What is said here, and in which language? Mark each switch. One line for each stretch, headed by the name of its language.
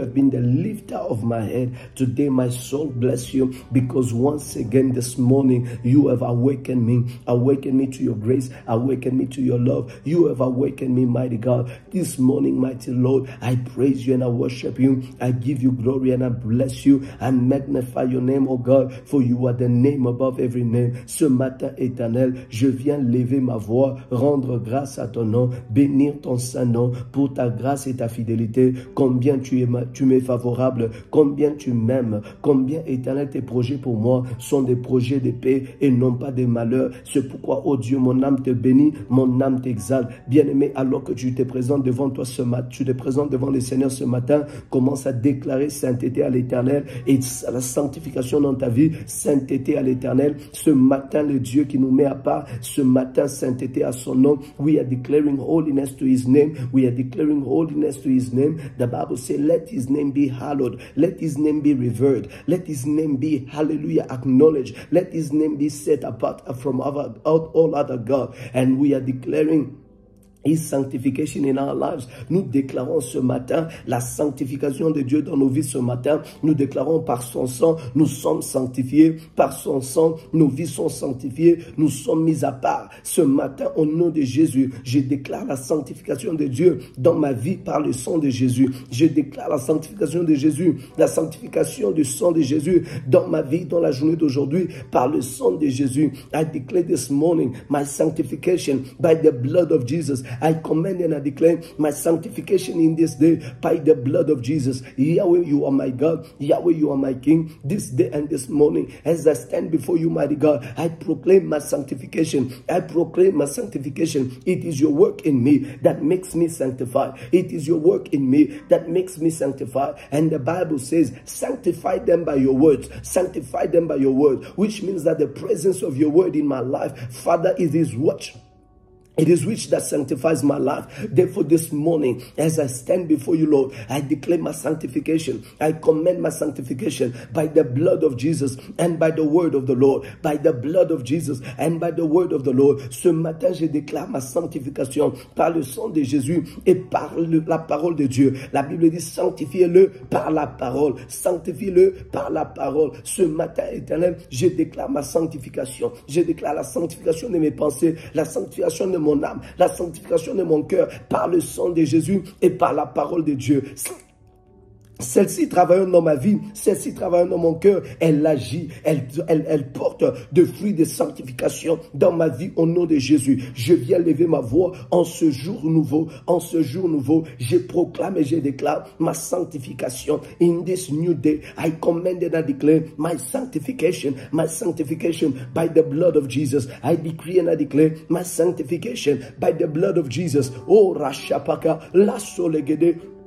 English: have been the lifter of my head. Today, my soul bless you, because once again this morning, you have awakened me. Awakened me to your grace. Awakened me to your love. You have awakened me, mighty God. This morning, mighty Lord, I praise you and I worship you. I give you glory and I bless you. I magnify your name, oh God, for you are the name above every name.
French: Ce matin éternel, je viens lever ma voix, rendre grâce à ton nom, bénir ton saint nom pour ta grâce et ta fidélité. Combien tu m'es favorable, combien tu m'aimes, combien éternel tes projets pour moi sont des projets de paix et non pas des malheurs. C'est pourquoi, oh Dieu, mon âme te bénit, mon âme t'exalte. Bien-aimé, alors que tu te présentes devant toi ce matin, tu te présentes devant le Seigneur ce matin, commence à déclarer sainteté à l'éternel et la sanctification dans ta vie, sainteté à l'éternel. Ce matin, le Dieu qui nous met à part, ce matin, sainteté à son nom.
English: We are declaring holiness to his name. We are declaring holiness to his name. The Bible says, let his name be hallowed. Let his name be revered. Let his name be, hallelujah, acknowledged. Let his name be set apart from all other gods. And we are declaring his sanctification in our lives.
French: Nous déclarons ce matin la sanctification de Dieu dans nos vies ce matin. Nous déclarons par son sang, nous sommes sanctifiés. Par son sang, nos vies sont sanctifiées. Nous sommes mis à part. Ce matin, au nom de Jésus, je déclare la sanctification de Dieu dans ma vie par le sang de Jésus. Je déclare la sanctification de Jésus, la sanctification du sang de Jésus dans ma vie, dans la journée d'aujourd'hui, par le sang de Jésus.
English: I declare this morning my sanctification by the blood of Jesus. I command and I declare my sanctification in this day by the blood of Jesus. Yahweh, you are my God. Yahweh, you are my King. This day and this morning, as I stand before you, mighty God, I proclaim my sanctification. I proclaim my sanctification. It is your work in me that makes me sanctified. It is your work in me that makes me sanctified. And the Bible says, sanctify them by your words. Sanctify them by your word, which means that the presence of your word in my life, Father, it is what? It is which that sanctifies my life. Therefore, this morning, as I stand before you, Lord, I declare my sanctification. I command my sanctification by the blood of Jesus and by the word of the Lord. By the blood of Jesus and by the word of the Lord.
French: Ce matin, je déclare ma sanctification par le sang de Jésus et par la parole de Dieu. La Bible dit, sanctifiez-le par la parole. Sanctifiez-le par la parole. Ce matin, éternel, je déclare ma sanctification. Je déclare la sanctification de mes pensées, la sanctification de mon âme, la sanctification de mon cœur par le sang de Jésus et par la parole de Dieu. Celle-ci travaille dans ma vie, celle-ci travaille dans mon cœur, elle agit, elle porte de fruits de sanctification dans ma vie au nom de Jésus. Je viens lever ma voix en ce jour nouveau, en ce jour nouveau, je proclame et je déclare ma sanctification.
English: In this new day, I command and I declare my sanctification by the blood of Jesus. I decree and I declare my sanctification by the blood of Jesus. Oh, Rashapaka, la solegede.